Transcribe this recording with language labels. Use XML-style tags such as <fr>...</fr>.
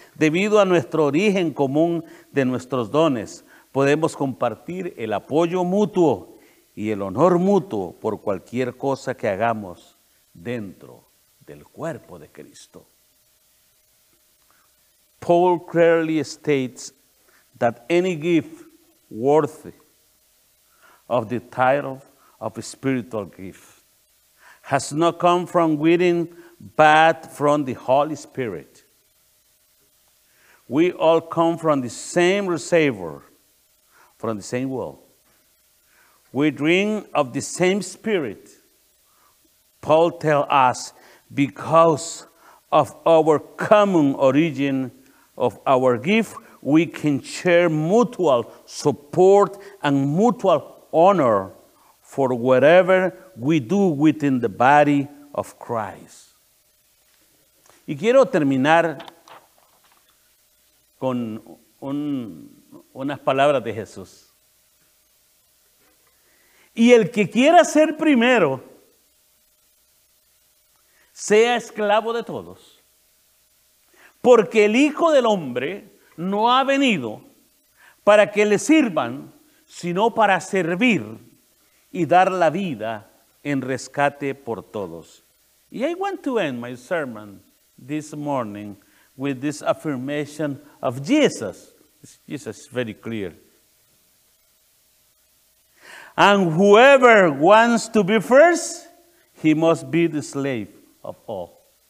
<es>Debido a nuestro origen común de nuestros dones, podemos compartir el apoyo mutuo y el honor mutuo por cualquier cosa que hagamos dentro del cuerpo de Cristo.</es> <en>Paul clearly states that any gift worthy of the title of a spiritual gift has not come from within, but from the Holy Spirit. We all come from the same reservoir, from the same well. We drink of the same Spirit, Paul tells us, because of our common origin of our gift, we can share mutual support and mutual honor for whatever we do within the body of Christ.</en> <es>Y quiero terminar con unas palabras de Jesús. Y el que quiera ser primero, sea esclavo de todos. Porque el Hijo del Hombre no ha venido para que le sirvan, sino para servir y dar la vida en rescate por todos.</es> <en>Y I want to end my sermon this morning with this affirmation of Jesus. Jesus is very clear. And whoever wants to be first, he must be the slave of all.</en>